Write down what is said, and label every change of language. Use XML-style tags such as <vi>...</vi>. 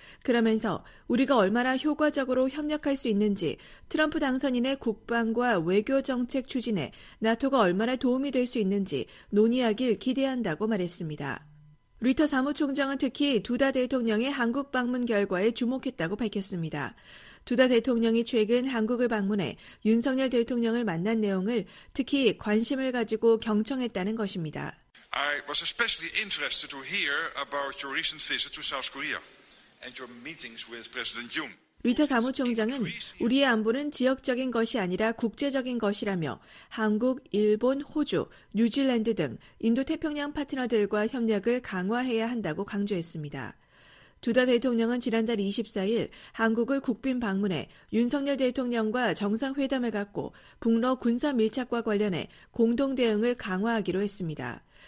<ko>그러면서 우리가 얼마나 효과적으로 협력할 수 있는지 트럼프 당선인의 국방과 외교 정책 추진에 나토가 얼마나 도움이 될 수 있는지 논의하길 기대한다고 말했습니다. 리터 사무총장은 특히 두다 대통령의 한국 방문 결과에 주목했다고 밝혔습니다. 두다 대통령이 최근 한국을 방문해 윤석열 대통령을 만난 내용을 특히 관심을 가지고 경청했다는 것입니다.</ko> <en>I was especially interested to hear about your recent visit to South Korea. And your meetings with President Jung.</en> <ko>리터 사무총장은 우리의 안보는 지역적인 것이 아니라 국제적인 것이라며 한국, 일본, 호주, 뉴질랜드 등 인도태평양 파트너들과 협력을 강화해야 한다고 강조했습니다. 두다 대통령은 지난달 24일 한국을 국빈 방문해 윤석열 대통령과 정상회담을 갖고 북러 군사 밀착과 관련해 공동 대응을 강화하기로 했습니다.</ko>